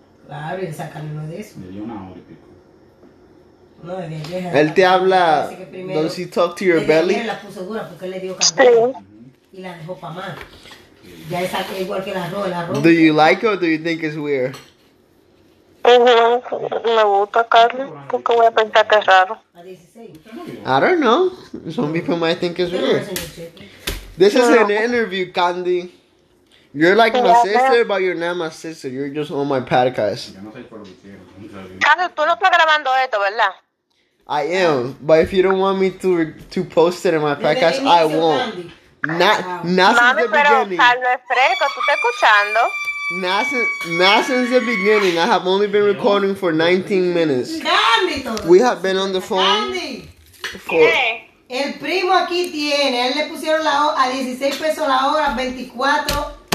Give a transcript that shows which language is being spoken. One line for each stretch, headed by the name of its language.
Spanish: Claro, y esa carne no es de eso. Le dio una hora y pico. No, él te habla, primero,
English: does he talk to your belly?
Spanish: La puso dura porque él le dio candela y la dejó pa' más. Ya es igual que el arroz.
English: Do you like it or do you think it's weird?
Spanish: Me gusta, Carly, porque voy a pensar que es raro.
English: I don't know. Some people might think it's weird. This is an interview, Candy. You're like my sister, but you're not my sister. You're just on my podcast.
Spanish: Carlos, tú no estás grabando esto, ¿verdad?
English: I am, but if you don't want me to post it in my podcast, I won't. Not since the beginning.
Spanish: Mami, pero Carlos es fresco, ¿tú estás escuchando?
English: Not since the beginning. I have only been recording for 19 minutes. We have been on the phone for...
Spanish: El primo aquí tiene, él le pusieron la a 16 pesos la hora, 24...